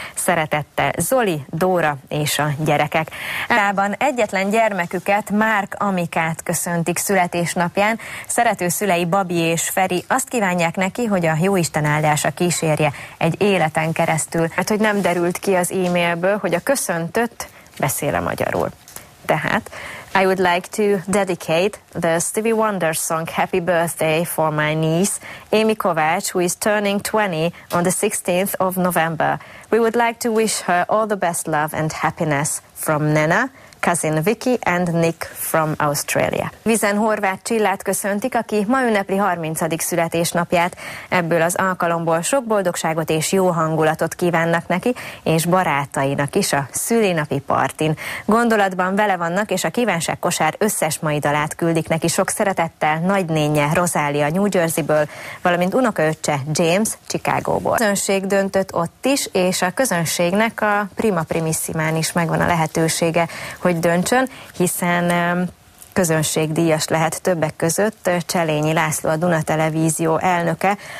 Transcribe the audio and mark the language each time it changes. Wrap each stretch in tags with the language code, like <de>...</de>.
<hu>Szeretette Zoli, Dóra és a gyerekek. Rában egyetlen gyermeküket, Márk Amikát köszöntik születésnapján. Szerető szülei Babi és Feri azt kívánják neki, hogy a jó Isten áldása kísérje egy életen keresztül. Hát, hogy nem derült ki az e-mailből, hogy a köszöntött beszél a magyarul. Tehát,</hu> <en>I would like to dedicate the Stevie Wonder song Happy Birthday for my niece, Amy Kovács, who is turning 20 on the 16th of November. We would like to wish her all the best love and happiness from Nana, cousin Vicky and Nick from Australia.</en> <hu>Vizen Horváth Csillát köszöntik, aki ma ünnepli 30. születésnapját. Ebből az alkalomból sok boldogságot és jó hangulatot kívánnak neki, és barátainak is a szülinapi partin. Gondolatban vele vannak, és a kívánságkosár összes mai dalát küldik neki sok szeretettel nagynénje Rosália New Jersey-ből, valamint unokaöccse James Chicagóból. A közönség döntött ott is, és a közönségnek a prima primissimán is megvan a lehetősége, hogy döntsön, hiszen közönségdíjas lehet többek között Cselényi László, a Duna Televízió elnöke.</hu>